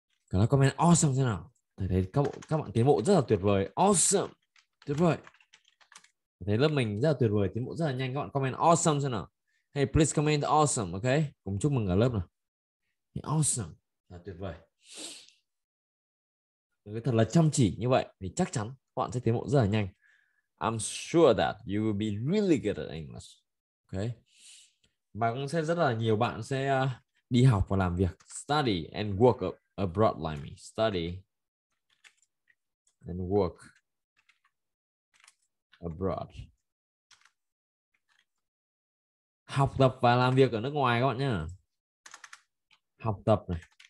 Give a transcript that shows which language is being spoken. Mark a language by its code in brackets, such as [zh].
[vi] Còn nó comment awesome thế nào? Thầy thấy các bạn tiến bộ rất là tuyệt vời. Awesome. Tuyệt vời. Thầy thấy lớp mình rất là tuyệt vời. Tiến bộ rất là nhanh. Các bạn comment awesome thế nào? [en] Hey, please comment awesome. [vi] Okay. Cùng chúc mừng cả lớp nào. Awesome. Là tuyệt vời. Nếu thật là chăm chỉ như vậy thì chắc chắn các bạn sẽ tiến bộ rất là nhanh. [en] I'm sure that you will be really good at English. Okay. [vi] Và cũng sẽ rất là nhiều bạn sẽ đi học và làm việc. [en] Study and work up. Abroad like me. Study and work abroad. [vi] Học tập và làm việc ở nước ngoài các bạn nhá. Học tập này.